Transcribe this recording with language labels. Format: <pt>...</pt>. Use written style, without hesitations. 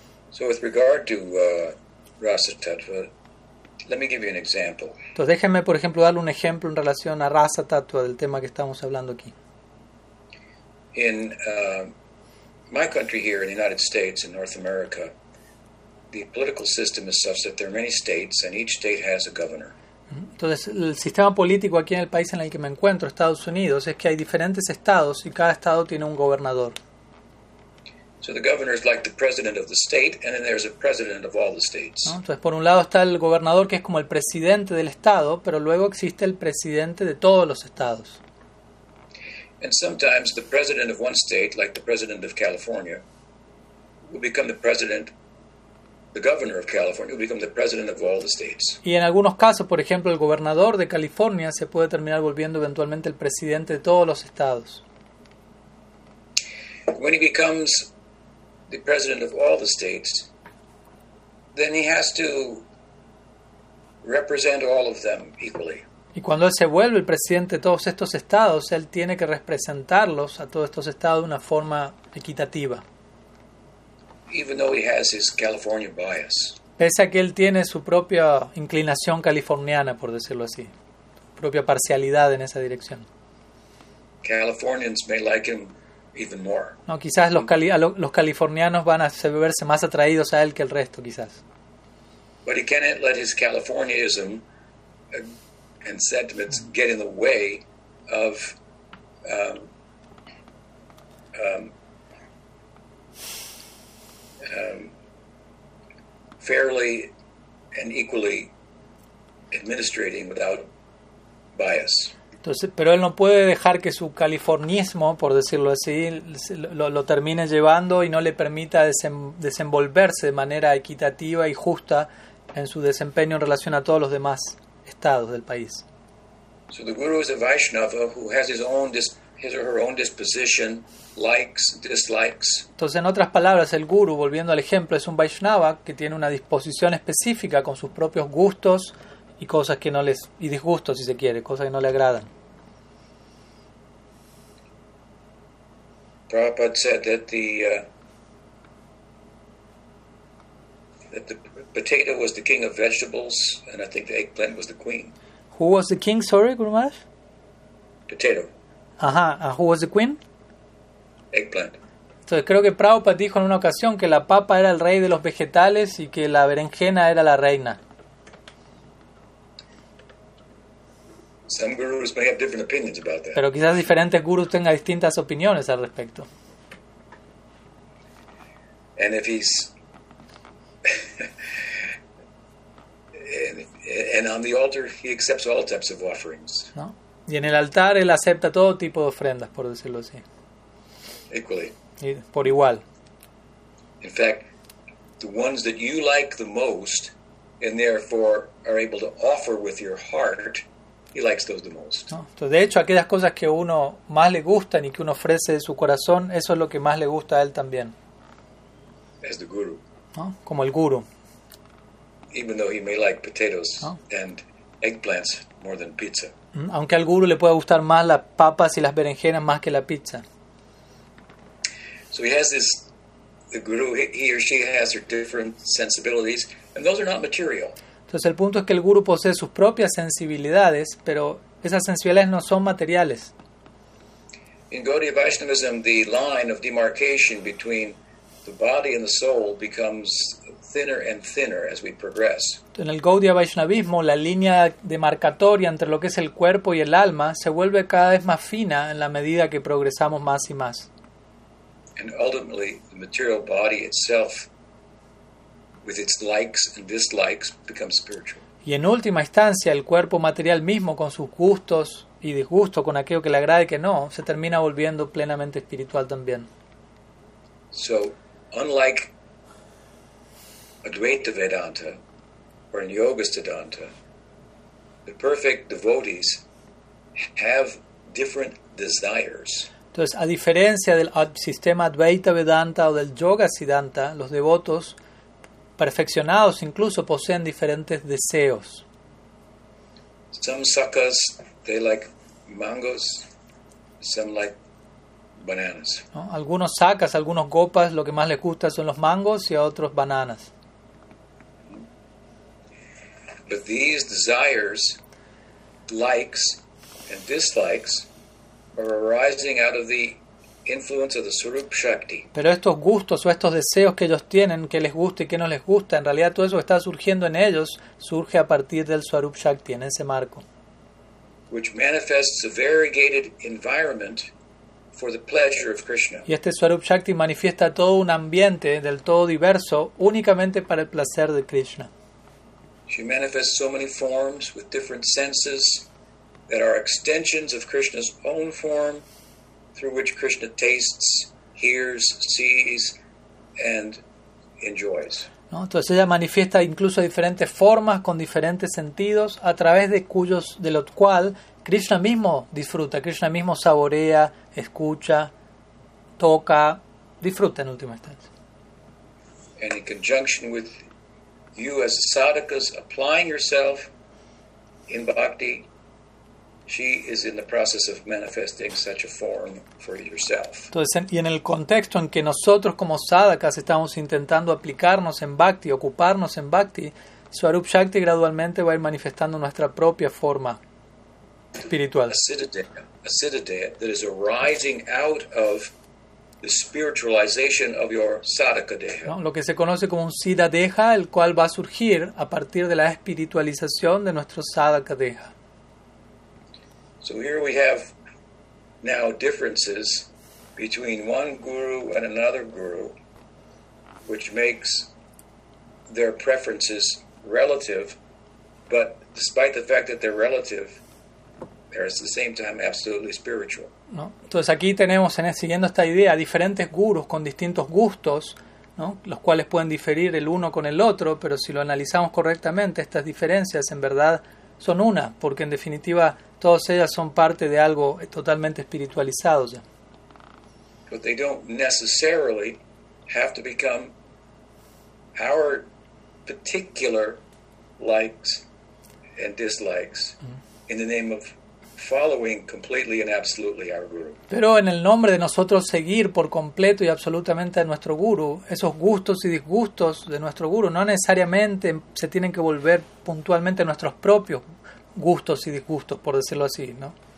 <en>So with regard to rasa tattva, let me give you an example.</en> <es>Entonces déjenme, por ejemplo, darle un ejemplo en relación a rasa tattva del tema que estamos hablando aquí.</es> <en>In my country here in the United States, in North America, the political system is such that there are many states and each state has a governor.</en> <es>Entonces, el sistema político aquí en el país en el que me encuentro, Estados Unidos, es que hay diferentes estados y cada estado tiene un gobernador.</es> <en>So the governor is like the president of the state, and then there's a president of all the states.</en> <es>¿No? Entonces, por un lado está el gobernador, que es como el presidente del estado, pero luego existe el presidente de todos los estados.</es> <en>And sometimes the president of one state, like the president of California, will become the president, the governor of California will become the president of all the states.</en> <es>Y en algunos casos, por ejemplo, el gobernador de California se puede terminar volviendo eventualmente el presidente de todos los estados.</es> <en>When he becomes the president of all the states, then he has to represent all of them equally.</en> <es>Y cuando él se vuelve el presidente de todos estos estados, él tiene que representarlos a todos estos estados de una forma equitativa.</es> <en>Even though he has his California bias.</en> <es>Pese a que él tiene su propia inclinación californiana, por decirlo así, propia parcialidad en esa dirección.</es> <en>Californians may like him even more.</en> <es>No, quizás los californianos van a verse más atraídos a él que el resto, quizás.</es> <en>But he can't let his Californianism and sentiments get in the way of fairly and equally administrating without bias.</en> <es>Entonces, pero él no puede dejar que su californismo, por decirlo así, lo termine llevando y no le permita desenvolverse de manera equitativa y justa en su desempeño en relación a todos los demás estados del país.</es> <en>So the guru is a Vaishnava who has his or her own disposition, likes, dislikes.</en> <es>Entonces, en otras palabras, el guru, volviendo al ejemplo, es un Vaishnava que tiene una disposición específica con sus propios gustos y cosas que no les y disgustos, si se quiere, cosas que no le agradan.</es> <en>Prabhupada said that the potato was the king of vegetables, and I think the eggplant was the queen. Who was the king? Sorry, Guru Maharaj. Potato. Ajá. Who was the queen? Eggplant.</en> <es>Entonces creo que Prabhupada dijo en una ocasión que la papa era el rey de los vegetales y que la berenjena era la reina.</es> <en>Some gurus may have different opinions about that.</en> <es>Pero quizás diferentes gurus tengan distintas opiniones al respecto.</es> <en>And if he's and on the altar he accepts all types of offerings.</en> <es>¿No? Y en el altar él acepta todo tipo de ofrendas, por decirlo así.</es> <en>Equally.</en> <es>Y por igual.</es> <en>In fact, the ones that you like the most and therefore are able to offer with your heart, he likes those the most.</en> <es>¿No? Entonces, de hecho, aquellas cosas que uno más le gustan y que uno ofrece de su corazón, eso es lo que más le gusta a él también.</es> <en>As the guru.</en> <es>¿No? Como el guru.</es> <en>Even though he may like potatoes,</en> <es>¿no?,</es> <en>and eggplants more than pizza.</en> <es>Aunque al guru le pueda gustar más las papas y las berenjenas más que la pizza.</es> <en>So he has this, the guru, he or she has her different sensibilities, and those are not material.</en> <es>Entonces el punto es que el guru posee sus propias sensibilidades, pero esas sensibilidades no son materiales.</es> <en>In Gaudiya Vaishnavism, the line of demarcation between the body and the soul becomes thinner and thinner as we progress.</en> <es>En el Gaudiya Vaishnavismo, la línea demarcatoria entre lo que es el cuerpo y el alma se vuelve cada vez más fina en la medida que progresamos más y más.</es> <en>And ultimately, the material body itself, with its likes and dislikes, becomes spiritual.</en> <es>Y en última instancia, el cuerpo material mismo, con sus gustos y disgustos, con aquello que le agrada y que no, se termina volviendo plenamente espiritual también.</es> <en>So, unlike Advaita Vedanta or in Yogastha Vedanta, the perfect devotees have different desires.</en> <es>Entonces, a diferencia del sistema Advaita Vedanta o del Yoga Siddhanta, los devotos perfeccionados incluso poseen diferentes deseos.</es> <en>Some suckers, they like mangoes, some like bananas.</en> <es>¿No? Algunos sacas, algunos gopas, lo que más les gusta son los mangos y a otros bananas.</es> <en>But these desires, likes and dislikes are arising out of the influence of the Swarup Shakti.</en> <es>Pero estos gustos o estos deseos que ellos tienen, que les gusta y que no les gusta, en realidad todo eso está surgiendo en ellos, surge a partir del Swarup Shakti, en ese marco.</es> <en>Which manifests a variegated environment for the pleasure of Krishna.</en> <es>Y este Swarup Shakti manifiesta todo un ambiente del todo diverso únicamente para el placer de Krishna.</es> <en>She manifests so many forms with different senses that are extensions of Krishna's own form, through which Krishna tastes, hears, sees, and enjoys.</en> <es>¿No? Entonces ella manifiesta incluso diferentes formas con diferentes sentidos a través de cuyos de lo cual Krishna mismo disfruta, Krishna mismo saborea, escucha, toca, disfruta en última instancia.</es> <en>And in conjunction with you as sadhakas applying yourself in bhakti, she is in the process of manifesting such a form for yourself.</en> <es>Entonces, y en el contexto en que nosotros como sadhakas estamos intentando aplicarnos en bhakti, ocuparnos en bhakti, Swarup Shakti gradualmente va a ir manifestando nuestra propia forma espiritual.</es> <en>A siddhadeya that is arising out of the spiritualization of your sadhakadeha.</en> <es>¿No? Lo que se conoce como un siddhadeha, el cual va a surgir a partir de la espiritualización de nuestro sadhakadeha.</es> <en>So here we have now differences between one guru and another guru, which makes their preferences relative, but despite the fact that they're relative, they're at the same time absolutely spiritual.</en> <es>¿No? Entonces aquí tenemos, siguiendo esta idea, diferentes gurus con distintos gustos, ¿no? Los cuales pueden diferir el uno con el otro, pero si lo analizamos correctamente, estas diferencias en verdad son una, porque en definitiva todas ellas son parte de algo totalmente espiritualizado ya.</es> <en>But they don't necessarily have to become our particular likes and dislikes in the name of following completely and absolutely our guru.</en> <es>Pero en el nombre de nosotros seguir por completo y absolutamente a nuestro guru, esos gustos y disgustos de nuestro guru no necesariamente se tienen que volver puntualmente nuestros propios gustos y disgustos, por decirlo así, ¿no?</es>